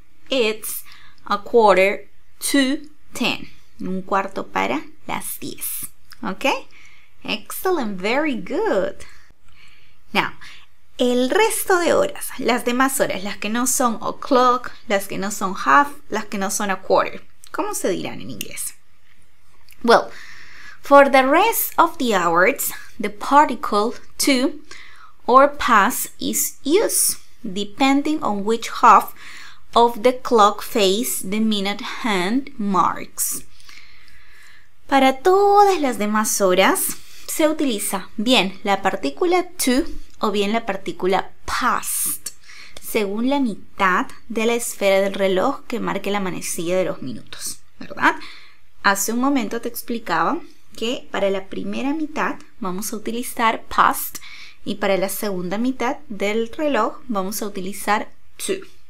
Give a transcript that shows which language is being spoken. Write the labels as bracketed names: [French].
[English] It's a quarter to ten. [Spanish] Un cuarto para las 10. [English] Okay? Excellent. Very good. Now, [Spanish] el resto de horas, las demás horas, las que no son o'clock, las que no son half, las que no son a quarter. ¿Cómo se dirán en inglés? [English] Well, for the rest of the hours, the particle to or past is used, depending on which half of the clock face the minute hand marks. [Spanish] Para todas las demás horas, se utiliza bien la partícula to o bien la partícula past, según la mitad de la esfera del reloj que marque la manecilla de los minutos, ¿verdad? Hace un momento te explicaba que para la primera mitad vamos a utilizar past y para la segunda mitad del reloj vamos a utilizar to.